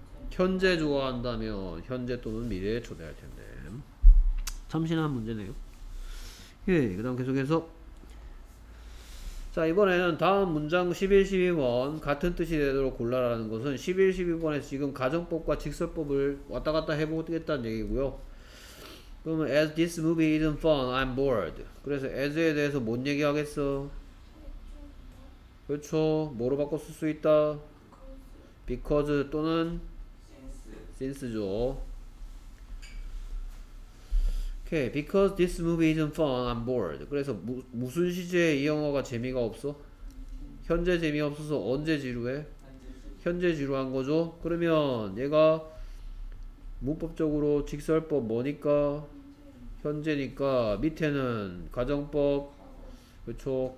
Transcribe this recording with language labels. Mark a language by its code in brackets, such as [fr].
[ko] 현재 좋아한다면 현재 또는 미래에 초대할 텐데. 참신한 문제네요. 예, 그다음 계속해서 자, 이번에는 다음 문장 11, 12번 같은 뜻이 되도록 골라라는 것은 11, 12번에 지금 가정법과 직설법을 왔다 갔다 해보겠다는 얘기고요. 그러면 [en] as this movie isn't fun, I'm bored. [ko] 그래서 as에 대해서 뭔 얘기하겠어? 그렇죠. 뭐로 바꿔 쓸 수 있다? because 또는 since죠. [en] Okay, because this movie isn't fun, I'm bored. [ko] 그래서 무슨 시제에 이 영화가 재미가 없어? 현재 재미없어서 언제 지루해? 현재 지루한 거죠? 그러면 얘가 문법적으로 직설법 뭐니까? 현재니까 밑에는 가정법, 그렇죠?